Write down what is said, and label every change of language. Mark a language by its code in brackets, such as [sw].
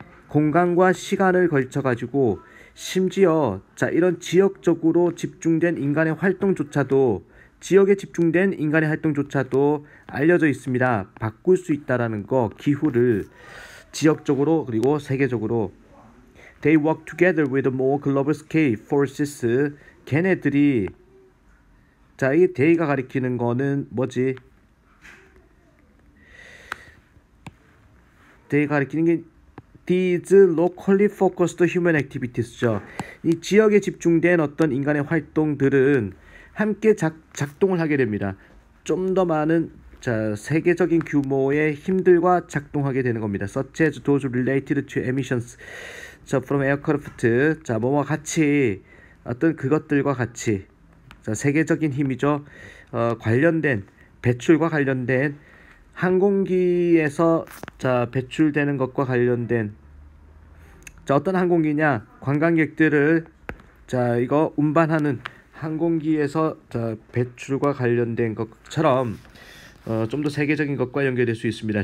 [ko] 공간과 시간을 걸쳐가지고 심지어 이런 지역적으로 집중된 인간의 활동조차도 지역에 집중된 인간의 활동조차도 알려져 있습니다. 바꿀 수 있다라는 거, 기후를 지역적으로 그리고 세계적으로. [en] They work together with more global scale forces. [ko] 걔네들이 이 데이가 가리키는 거는 뭐지? 데이가 가리키는 게 [en] These locally focused human activities죠. [ko] 이 지역에 집중된 어떤 인간의 활동들은 함께 작동을 하게 됩니다. 좀더 많은 세계적인 규모의 힘들과 작동하게 되는 겁니다. [en] Such as those related to emissions from aircraft. [ko] 뭐와 같이 어떤 그것들과 같이 세계적인 힘이죠. 관련된 배출과 관련된 항공기에서 배출되는 것과 관련된 어떤 항공기냐? 관광객들을 이거 운반하는 항공기에서 배출과 관련된 것처럼 좀더 세계적인 것과 연결될 수 있습니다.